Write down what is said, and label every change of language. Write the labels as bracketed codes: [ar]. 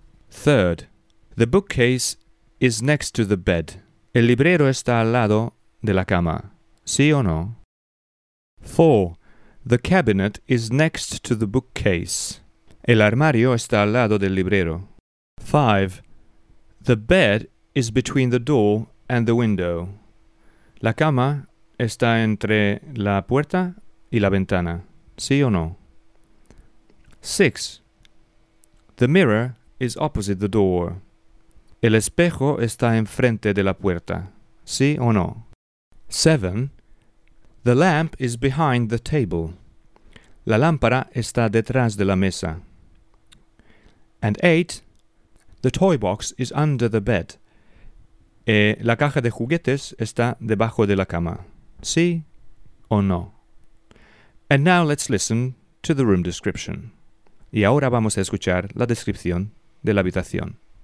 [en] Third, the bookcase is next to the bed. [es] El librero está al lado de la cama. ¿Sí o no? [en] Four, the cabinet is next to the bookcase. [es] El armario está al lado del librero. [en] Five, the bed is between the door and the window. [es] La cama está entre la puerta y la ventana. ¿Sí o no? [en] Six, the mirror is opposite the door. [es] El espejo está enfrente de la puerta. ¿Sí o no? [en] Seven, the lamp is behind the table. [es] La lámpara está detrás de la mesa. [en] And eight, the toy box is under the bed. [es] La caja de juguetes está debajo de la cama. ¿Sí o no? [en] And now let's listen to the room description. [es] Y ahora vamos a escuchar la descripción de la habitación.